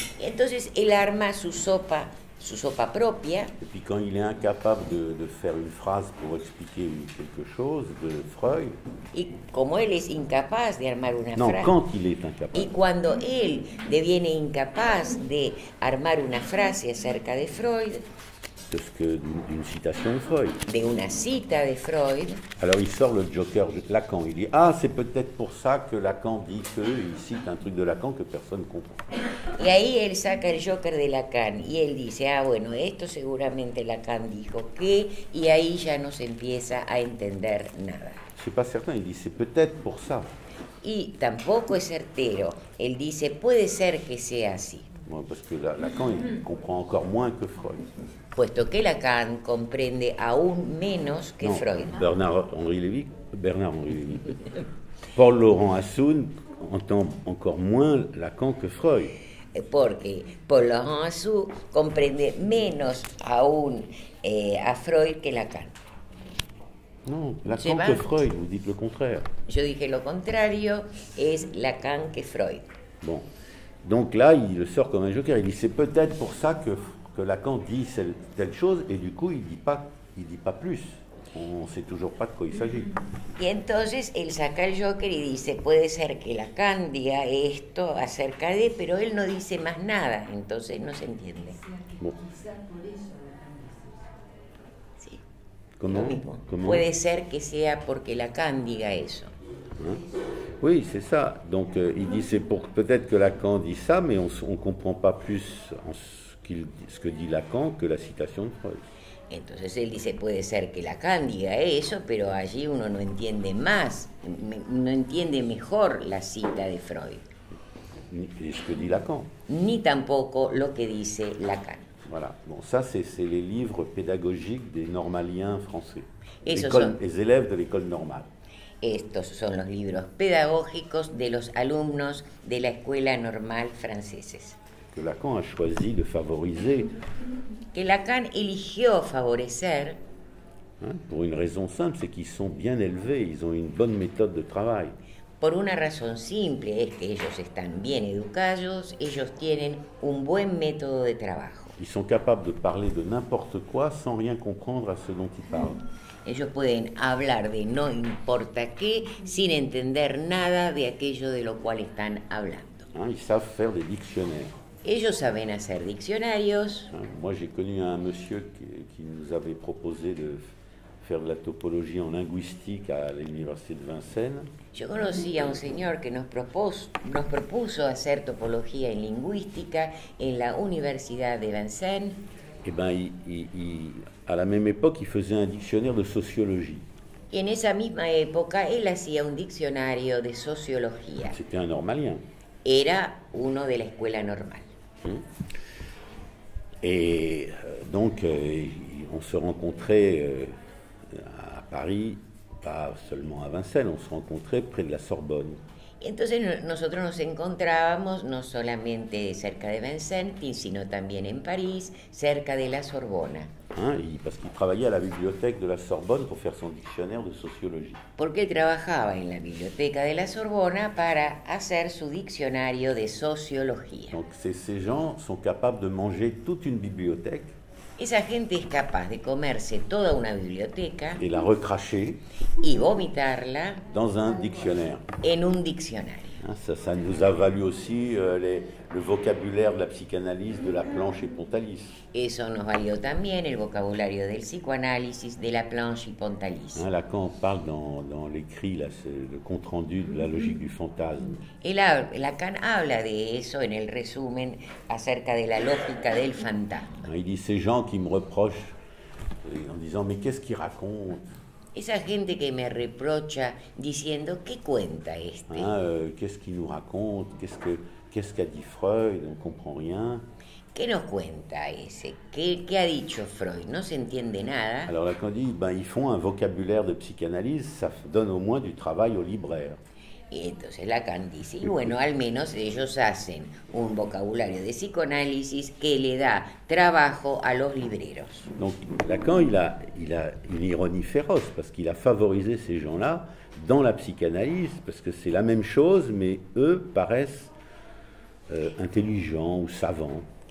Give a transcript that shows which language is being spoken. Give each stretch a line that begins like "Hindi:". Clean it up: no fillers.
Spanish: Entonces él arma su sopa propia.
French: Et puis quand il est incapable de faire une phrase pour expliquer quelque chose de Freud.
Spanish: Y como él es incapaz de armar una frase.
French: Non, quand il est incapable.
Spanish: Y cuando él deviene incapaz de armar una frase acerca de Freud.
French: Parce que d'une citation de Freud.
Spanish: De una cita de Freud.
French: Alors il sort le joker Lacan. Il dit, ah, c'est peut-être pour ça que Lacan dit qu'il cite un truc de Lacan que personne ne comprend.
Spanish: Y ahí él saca el joker de Lacan. Y él dice, ah, bueno, esto seguramente Lacan dijo que. Y ahí ya no se empieza a entender nada.
French: Je suis pas certain. Il dit, c'est peut-être pour ça.
Spanish: Y tampoco es certero. Él dice, puede ser que sea así. Bueno,
French: parce que Lacan, il comprend encore moins que Freud.
Spanish: Puesto que Lacan comprende aún menos que
French: non, Freud. Bernard-Henri Lévy. Paul Laurent Assoun entend encore moins Lacan que Freud.
Spanish: Porque Paul Laurent Assoun comprende menos aún a Freud que Lacan.
French: Non, Lacan que Freud, vous dites le contraire.
Spanish: Yo dije lo contrario, es Lacan que Freud.
French: Bon, donc là, il le sort comme un joker. Il dit, c'est peut-être pour ça que Lacan dit telle chose et du coup il dit pas plus. On sait toujours pas de quoi il s'agit.
Spanish: Y entonces él saca el joker y dice, puede ser que Lacan diga esto acerca de, pero él no dice más nada, entonces no se entiende.
French: Bon.
Spanish: ¿Cómo? ¿Cómo? Puede ser que sea porque Lacan diga eso.
French: Oui, c'est ça. Donc, il dit, c'est pour, peut-être que Lacan dit ça, mais on ne comprend pas plus en ce que dit Lacan que la citation de Freud.
Spanish: Entonces, él dice, puede ser que Lacan diga eso, pero allí uno no entiende más, no entiende mejor la cita de Freud.
French: Ni ce que dit Lacan.
Spanish: Ni tampoco lo que dice Lacan.
French: Voilà. Bon, ça, c'est les livres pédagogiques des normaliens français. Les élèves de l'école normale.
Spanish: Estos son los libros pedagógicos de los alumnos de la escuela normal franceses.
French: Que Lacan a choisi de favoriser.
Spanish: Que Lacan eligió favorecer.
French: Hein, pour une raison simple, c'est qu'ils sont bien élevés, ils ont une bonne méthode de travail.
Spanish: Por una razón simple, es que ellos están bien educados, ellos tienen un buen método de trabajo.
French: Ils sont capables de parler de n'importe quoi sans rien comprendre à ce dont ils parlent.
Spanish: Ellos pueden hablar de no importa qué sin entender nada de aquello de lo cual están hablando.
French: Ah, ils savent faire des dictionnaires.
Spanish: Ellos saben hacer diccionarios.
French: Ah, moi, j'ai connu un monsieur qui nous avait proposé de faire de la topologie en linguistique à l'université de Vincennes.
Spanish: Yo conocí a un señor que nos propuso hacer topología en lingüística en la Universidad de Vincennes.
French: Eh ben, à la même époque, il faisait un dictionnaire de sociologie.
Spanish: Y en esa misma época, él hacía un diccionario de sociología.
French: C'était un normalien.
Spanish: Era uno de la escuela normal.
French: Et donc, on se rencontrait à Paris, pas seulement à Vincennes, on se rencontrait près de la Sorbonne.
Spanish: Entonces nosotros nos encontrábamos no solamente cerca de Vincennes, sino también en París, cerca de la Sorbona.
French: Ah, y parce qu'il travaillait à la bibliothèque de la Sorbonne pour faire son dictionnaire de sociologie.
Spanish: Porque trabajaba en la biblioteca de la Sorbona para hacer su diccionario de sociología.
French: Donc ces gens sont capables de manger toute une bibliothèque.
Spanish: Esa gente es capaz de comerse toda una biblioteca
French: y la recracher
Spanish: y vomitarla
French: dans un dictionnaire.
Spanish: En un diccionario.
French: Ça nous a valu aussi le vocabulaire de la psychanalyse de Laplanche et Pontalis.
Spanish: Eso nos valió también el vocabulario del psicoanálisis de Laplanche y Pontalis.
French: Lacan parle dans l'écrit, là, le compte-rendu de la logique du fantasme.
Spanish: Lacan habla de eso en el resumen acerca de la lógica del fantasma.
French: Il dit ces gens qui me reprochent en disant mais qu'est-ce qu'ils racontent?
Spanish: Esa gente que me reprocha diciendo qué cuenta este.
French: Qu'est-ce qu'il nous raconte? Qu'est-ce qu'a dit Freud? On comprend rien.
Spanish: ¿Qué nos cuenta ese? ¿Qué ha dicho Freud? No se entiende nada.
French: Alors Lacan dit, ben ils font un vocabulaire de psychanalyse, ça donne au moins du travail au libraire.
Spanish: Y entonces Lacan dice, y bueno, al menos ellos hacen un vocabulario de psicoanálisis que le da trabajo a los libreros.
French: Donc Lacan il a une ironie féroce parce qu'il a favorisé ces gens-là dans la psychanalyse parce que c'est la même chose mais eux paraissent intelligents ou savants.